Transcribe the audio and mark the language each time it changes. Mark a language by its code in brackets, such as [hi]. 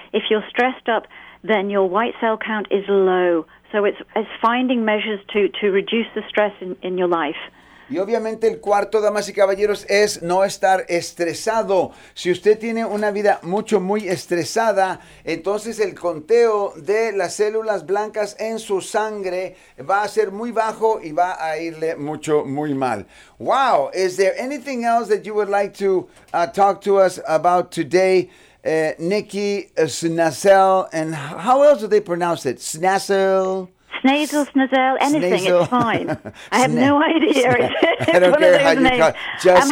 [en] If you're stressed up, then your white cell count is low. So it's finding measures to reduce the stress in your life. [es] Y obviamente el cuarto, damas y caballeros, es no estar estresado. Si usted tiene una vida mucho, muy estresada, entonces el conteo de las células blancas en su sangre va a ser muy bajo y va a irle mucho, muy mal. [en] Wow, is there anything else that you would like to talk to us about today, Nikki Snazel? And how else do they pronounce it? Snazel? Snazel, anything, Snazel. It's fine. I have no idea. I don't care how you call it. Just